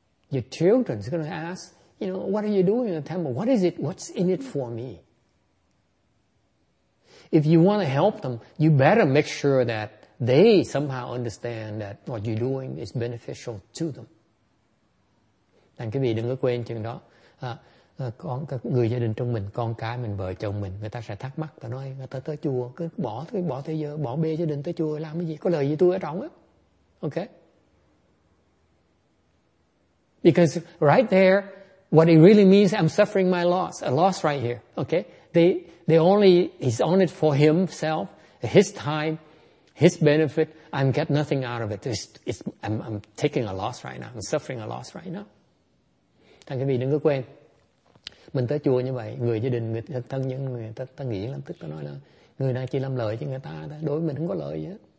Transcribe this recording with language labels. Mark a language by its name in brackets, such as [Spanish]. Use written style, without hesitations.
[English] Your children's going to ask, you know, what are you doing in the temple? What is it? What's in it for me? If you want to help them, you better make sure that they somehow understand that what you're doing is beneficial to them. [Vietnamese] Thành quý vị đừng có quên chuyện đó. Con người gia đình trong mình, con cái mình, vợ chồng mình, người ta sẽ thắc mắc, ta nói người ta tới chùa cứ bỏ thế giới, bỏ bê gia đình tới chùa làm cái gì, có lời gì tôi ở trong á. [English] Okay, because right there what it really means, I'm suffering my loss, a loss right here. Okay, they only, he's on it for himself, his time, his benefit. I'm get nothing out of it. I'm taking a loss right now. I'm suffering a loss right now. [Vietnamese] Thành quý vị đừng có quên, mình tới chùa như vậy, người gia đình, người thân nhân, người ta nghĩ lắm, tức ta nói là người này chỉ làm lợi cho người ta, đối với mình không có lợi gì hết.